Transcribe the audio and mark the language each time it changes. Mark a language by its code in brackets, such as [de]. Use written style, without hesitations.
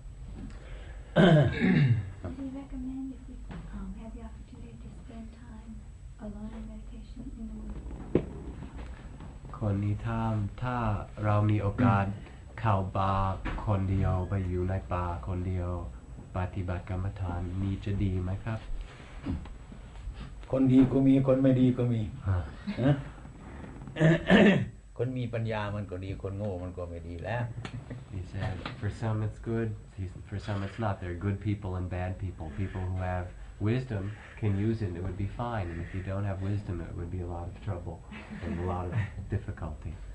[en] Do you recommend if we have the opportunity to spend time alone in meditation in the woods? [th] คนนี้ถามถ้าเรามีโอกาสเข้าป่าคนเดียวไปอยู่ในป่าคนเดียวปฏิบัติกรรมฐานมีจะดีไหมครับ คนดีก็มีคนไม่ดีก็มีคนมีปัญญามันก็ดีคนโง่มันก็ไม่ดีแล้ว [en] He said, for some it's good, for some it's not. There are good people and bad people. People who have wisdom can use it and it would be fine. And if you don't have wisdom, it would be a lot of trouble and a lot of difficulty.